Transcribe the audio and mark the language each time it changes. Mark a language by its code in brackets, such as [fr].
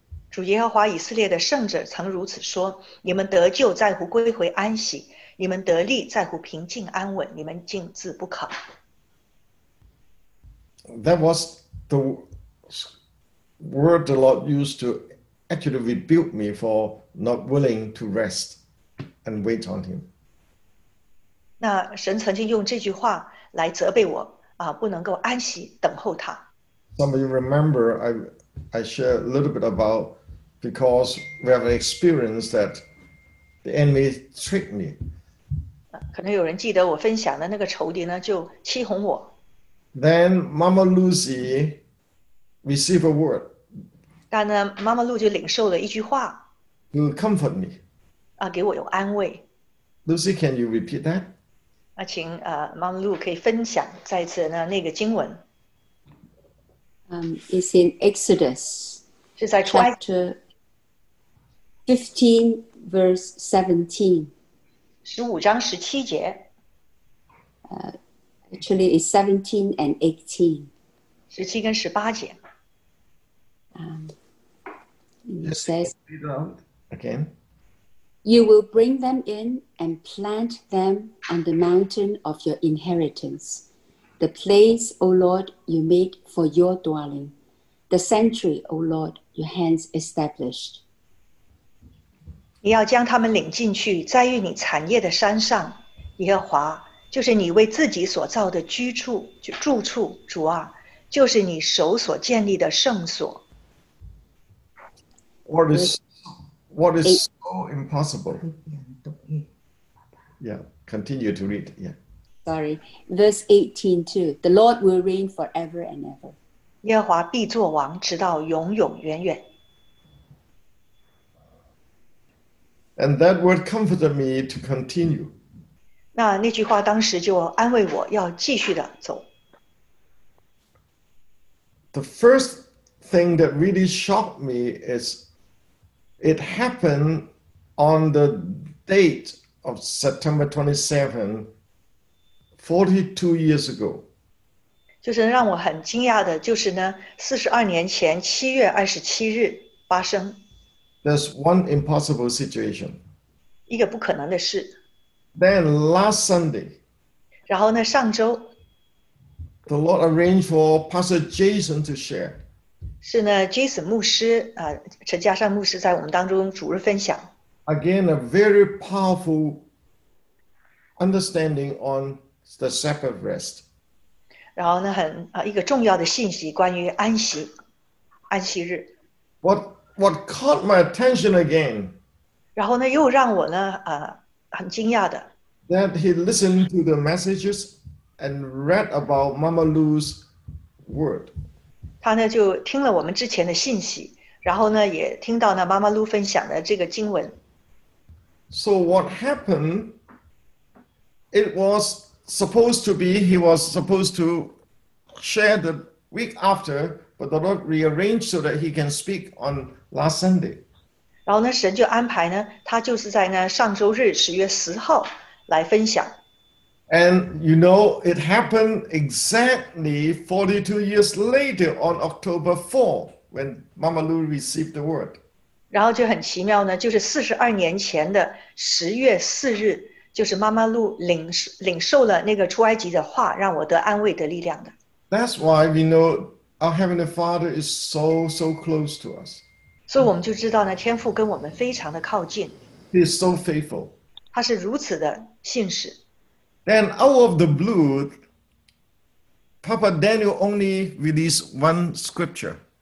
[zh] 主耶和华以色列的圣者曾如此说，你们得救在乎归回安息，你们得力在乎平静安稳，你们竟自不考。 [en] That was... The word the Lord used to actually rebuke me for not willing to rest and wait on Him. [zh] 那神曾经用这句话来责备我啊，不能够安息等候他。 [en] Some of you remember I share a little bit about because we have an experience that the enemy tricked me. [zh] 可能有人记得我分享的那个仇敌呢，就欺哄我。 [en] Then Mama Lucy received a word. [zh] 但呢，妈妈露就领受了一句话。 [en] To comfort me. [zh] 给我有安慰。 [en] Lucy, can you repeat that? [zh] 请妈妈露可以分享再次呢那个经文。 [en] It's in Exodus. [zh] 是在出埃及。 [en] Chapter 15, verse 17. [zh] 十五章十七节。 [en] Actually, it's 17 and 18. [zh] 十七跟十八节。 [en] It says, again, you will bring them in and plant them on the mountain of your inheritance, the place, O Lord, you made for your dwelling, the sanctuary, O Lord, your hands established. [zh] 你要将他们领进去，栽于你产业的山上，耶和华。就是你为自己所造的居处，住处，主啊，就是你手所建立的圣所。 [en] What is so impossible? Yeah, continue to read. Yeah. Sorry. Verse 18 too. The Lord will reign forever and ever. [zh] 耶和华必作王直到永永远远。 [en] And that word comforted me to continue. [zh] 那句话当时就安慰我要继续的走。 [en] The first thing that really shocked me is it happened on the date of September 27, 42 years ago. [zh] 就是让我很惊讶的就是呢, 42年前, 7月27日, 发生, [en] There's one impossible situation. [zh] 一个不可能的事。 [en] Then last Sunday, [zh] 然后呢, 上周, [en] the Lord arranged for Pastor Jason to share. [zh] 是呢, Jason 牧师, 陈家善牧师在我们当中主日分享。 [en] Again, a very powerful understanding on the Sabbath rest. [zh] 然后呢, 很, 一个重要的信息关于安息, 安息日。 [en] What caught my attention again? [zh] 然后呢, 又让我呢, 很惊讶的, [en] that he listened to the messages and read about Mama Lou's word. [zh] 他呢, 就听了我们之前的信息, 然后呢, 也听到呢, Mama Lou分享的这个经文。 [en] So what happened, it was supposed to be, he was supposed to share the week after, but the Lord rearranged so that he can speak on last Sunday. [zh] 然后呢, 神就安排呢, 他就是在呢, 上周日, 10月10号, 来分享。 [en] And you know, it happened exactly 42 years later on October 4, when Mama Lou received the word. [zh] 然后就很奇妙呢, 就是42年前的 10月4日, 就是妈妈露领受了那个出埃及的话, 让我得安慰得力量的。 [en] That's why we know our Heavenly Father is so close to us. [zh] 所以我们就知道呢, 天父跟我们非常的靠近。 [en] He is so faithful. [zh] 他是如此的信使。 [en] Then out of the blue, Papa Daniel only released one scripture.